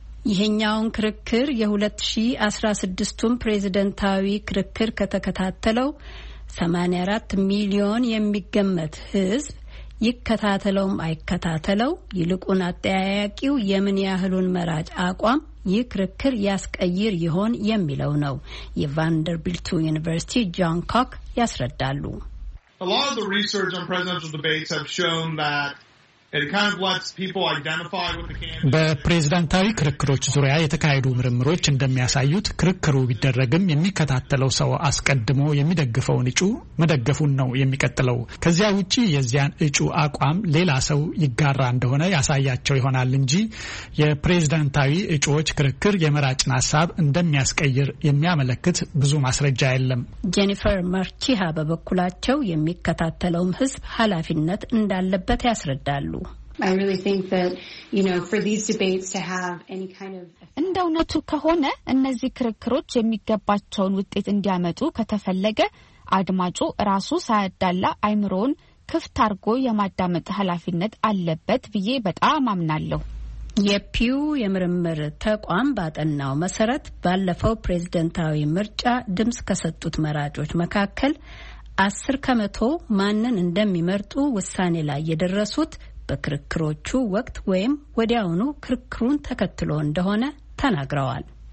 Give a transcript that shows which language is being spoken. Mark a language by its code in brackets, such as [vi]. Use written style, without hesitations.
[am] ይሄኛውን ክርክር የ2016ቱን ፕሬዝዳንታዊ ክርክር ከተከታተለው 84 ሚሊዮን የሚገመት ህዝብ ይከታተለውም አይከታተለው ይልቁን አጠያያቂው የምን ያህሉን መራጭ አቋም ይክርክር ያስቀይር ይሆን የሚለው ነው። የቫንደርቢልቱ ዩኒቨርሲቲ ጆን ኮክ ያስረዳሉ። [en] A lot of the research on presidential debates have shown that it kind of lets people identify with the candidate. [am] በፕሬዝዳንታዊ ክርክሮች ዙሪያ የተካሄዱ ምርምሮች እንደሚያሳዩት ክርክሩ ቢደረግም የሚከታተለው ሰው አስቀድሞ የሚደግፈውን እጩ መደገፉን ነው የሚከተለው። ከዚያ ውጪ የዚያን እጩ አቋም ሌላ ሰው ይጋራ እንደሆነ ያሳያቸው ይሆናል እንጂ የፕሬዝዳንታዊ እጩዎች ክርክር የመራጭን ሐሳብ እንደሚያስቀይር የሚያመለክት ብዙ ማስረጃ የለም። ጄኒፈር ማርቺሃ በበኩላቸው የሚከታተለውም ህዝብ ኃላፊነት እንዳለበት ያስረዳል። [en] I really think that, you know, for these debates to have any kind of [am] እንደውነቱ ከሆነ እነዚህ ክርክሮች የሚገባቸውን ውጤት እንዲያመጡ ከተፈለገ አድማጩ ራሱ ሳይዳላ አይምሮን ክፍት አርጎ የማዳመጥ ኃላፊነት አለበት ብዬ በጣም አምናለሁ። የፒው የምርምር ተቋም ባጠናው መሰረት ባለፈው ፕሬዝዳንታዊ ምርጫ ድምጽ ከሰጡት መራጮች መካከል 10 ከመቶ ማንን እንደሚመርጡ ውሳኔ ላይ የደረሱት በክርክሮቹ ወቅት ወይም ወዲያውኑ ክርክሩን ተከትሎ እንደሆነ ተናግረዋል።